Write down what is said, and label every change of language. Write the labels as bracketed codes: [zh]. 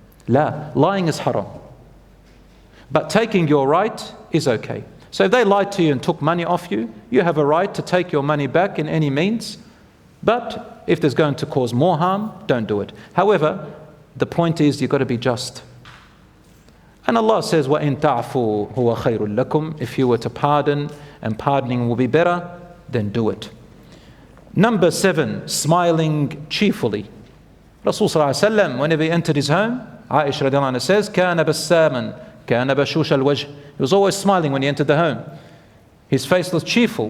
[en] La, lying is haram. But taking your right is okay. So if they lied to you and took money off you, you have a right to take your money back in any means. But if there's going to cause more harm, don't do it. However, the point is you've got to be just. [ar] And Allah says, وَإِن تَعْفُوا هُوَ خَيْرٌ لَكُمْ. [en] If you were to pardon, and pardoning will be better, then do it. Number seven, smiling cheerfully. Rasulullah ﷺ, whenever he entered his home, Aisha radiallahu anha says, [ar] كَانَ بَسَّامًا كَانَ بَشُوشَ الْوَجْهِ. [en] He was always smiling when he entered the home. His face was cheerful.